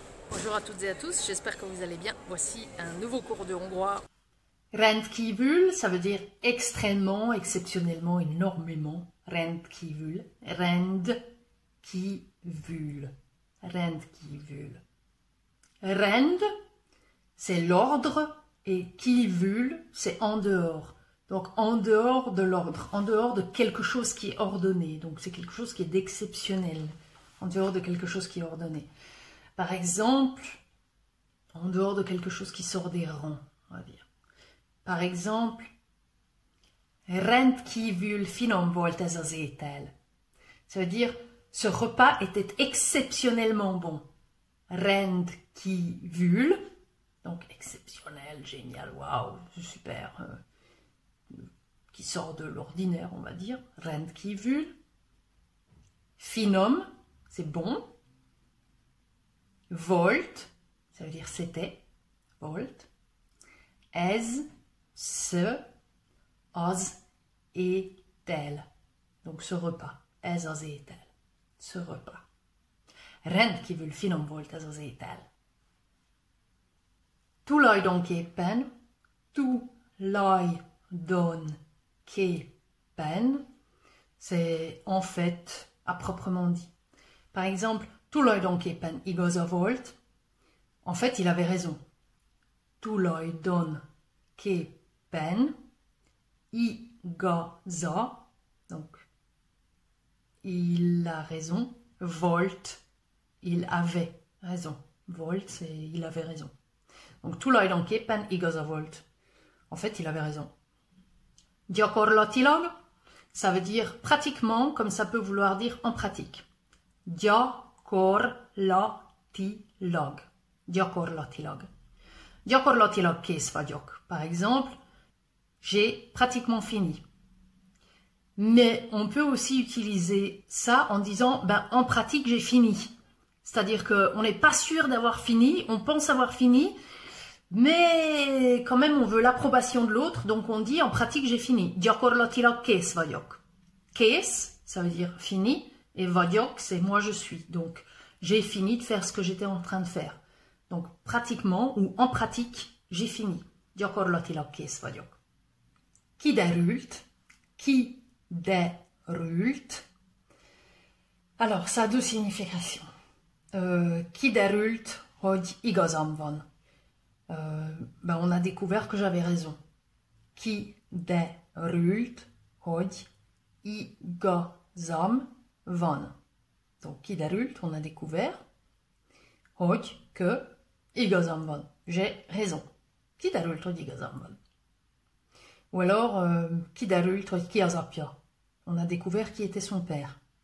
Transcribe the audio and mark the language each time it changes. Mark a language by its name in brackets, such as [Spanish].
[French] Bonjour à toutes et à tous, j'espère que vous allez bien. Voici un nouveau cours de hongrois. Rendkívül, ça veut dire extrêmement, exceptionnellement, énormément. [Hungarian] Rendkívül, rendkívül, rendkívül. [French] Rend, c'est l'ordre, et kívül, c'est en dehors. Donc en dehors de l'ordre, en dehors de quelque chose qui est ordonné. Donc c'est quelque chose qui est d'exceptionnel, en dehors de quelque chose qui est ordonné. Par exemple, en dehors de quelque chose qui sort des rangs, on va dire. Par exemple, [Hungarian] rendkívül finom volt ez az étel. [French] Ça veut dire, ce repas était exceptionnellement bon. Rendkívül, donc exceptionnel, génial, waouh, super. Qui sort de l'ordinaire, on va dire. Rendkívül. Finom, c'est bon. Volt, ça veut dire c'était, volt, ez, ce, az, et tel. Donc ce repas, ez, az, et tel. Ce repas. [Hungarian] Rendkívül finom volt ez, az, et tel. [French] Tulajdonképpen, tulajdonképpen, c'est en fait, à proprement dit. Par exemple, [Hungarian] tulajdonképpen igaza volt. [French] En fait, il avait raison. [Hungarian] Tulajdonképpen igaza. [French] Donc, il a raison. Volt, il avait raison. Volt, c'est il avait raison. Donc, [Hungarian] tulajdonképpen igaza volt. [French] En fait, il avait raison. Gyakorlatilag, ça veut dire pratiquement, comme ça peut vouloir dire en pratique. [Hungarian] Gyakorlatilag. Gyakorlatilag. Gyakorlatilag kész vagyok. [French] Par exemple, j'ai pratiquement fini. Mais on peut aussi utiliser ça en disant, ben, en pratique, j'ai fini. C'est-à-dire qu'on n'est pas sûr d'avoir fini, on pense avoir fini, mais quand même, on veut l'approbation de l'autre, donc on dit, en pratique, j'ai fini. [Hungarian] Gyakorlatilag kész vagyok. [French] Kész, ça veut dire fini, et vagyok, c'est moi, je suis. Donc, j'ai fini de faire ce que j'étais en train de faire. Donc, pratiquement ou en pratique, j'ai fini. [Hungarian] Gyakorlatilag kész vagyok. Kiderült. Kiderült. [French] Alors, ça a deux significations. [Hungarian] Kiderült, hogy igazam van. [French] Ben, on a découvert que j'avais raison. [Hungarian] Kiderült, hogy igazam van. [French] Donc, kiderült, on a découvert, hogy, que, [Hungarian] igazam van, [French] j'ai raison. [Hungarian] Kiderült, hogy igazam van. [French] Ou alors, [Hungarian] kiderült, hogy ki az apja. [French] On a découvert qui était son père.